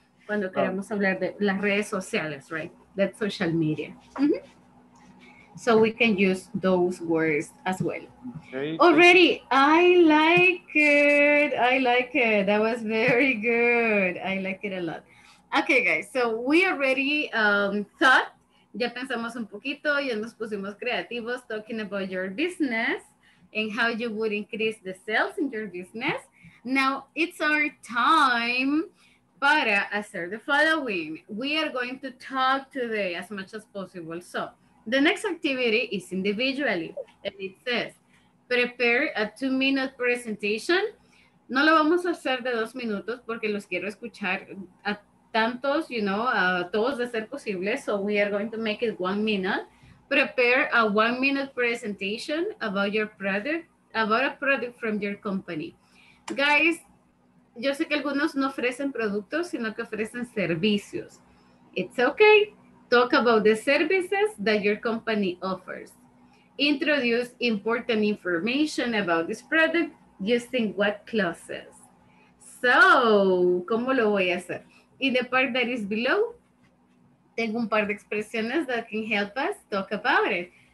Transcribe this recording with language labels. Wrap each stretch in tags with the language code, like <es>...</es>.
<es>Cuando queremos hablar de las redes sociales, right?</es> <en>That social media. Mm-hmm. So we can use those words as well. Okay. Already, I like it. I like it. That was very good. I like it a lot. Okay, guys. So we already thought.</en> <es>Ya pensamos un poquito. Ya nos pusimos creativos</es> <en>talking about your business and how you would increase the sales in your business. Now it's our time</en> <es>para hacer</es> <en>the following. We are going to talk today as much as possible. So the next activity is individually, and it says, prepare a 2-minute presentation.</en> <es>No lo vamos a hacer de 2 minutos porque los quiero escuchar a tantos, you know, a todos de ser posible.</es> <en>So we are going to make it 1 minute. Prepare a 1-minute presentation about your product, about a product from your company.</en> <es>Guys, yo sé que algunos no ofrecen productos, sino que ofrecen servicios.</es> <en>It's okay. Talk about the services that your company offers. Introduce important information about this product using what clauses. So,</en> <es>¿cómo lo voy a hacer?</es> <en>In the part that is below,</en> <es>tengo un par de expresiones</es> <en>that can help us talk about it.</en>